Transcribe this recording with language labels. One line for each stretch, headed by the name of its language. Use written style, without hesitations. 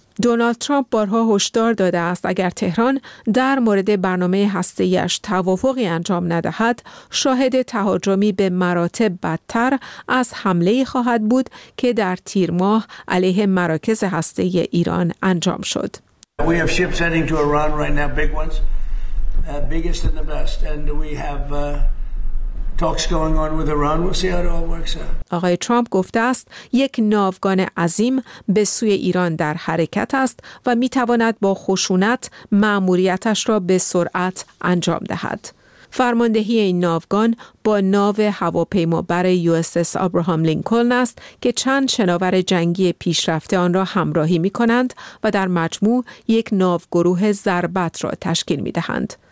Persian: دونالد ترامپ بارها هشدار داده است اگر تهران در مورد برنامه هسته‌ای‌اش توافقی انجام ندهد، شاهد تهاجمی به مراتب بدتر از حمله‌ای خواهد بود که در تیر ماه علیه مراکز هسته‌ای ایران انجام شد.
English: We have ships heading to Iran right now, big ones, biggest and the best, and we have talks going on with Iran. We'll see how it all works out.
Persian: آقای ترامپ گفته است یک ناوگان عظیم به سوی ایران در حرکت است و می تواند با خشونت ماموریتش را به سرعت انجام دهد. فرماندهی این ناوگان با ناو هواپیمابر USS ابراهام لینکلن است که چند شناور جنگی پیشرفته آن را همراهی می کنند و در مجموع یک ناوگروه ضربت را تشکیل می دهند.